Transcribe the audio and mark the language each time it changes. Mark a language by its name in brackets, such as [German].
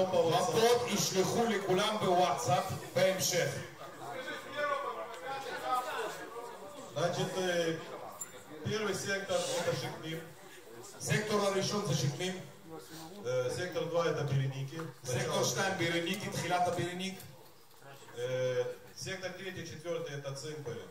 [Hebrew] לפחות ישלחו לכולם בוואטסאפ בהמשך. [Russian] значит, первый сектор это שקמים. [Hebrew] סקטור הראשון זה שקמים. סקטור 2 [Russian] это [Hebrew] בירניקי. סקטור 2 בירניקי, תחילת הבירניק. סקטור 3-4 [Russian] это [Hebrew] צימפרי.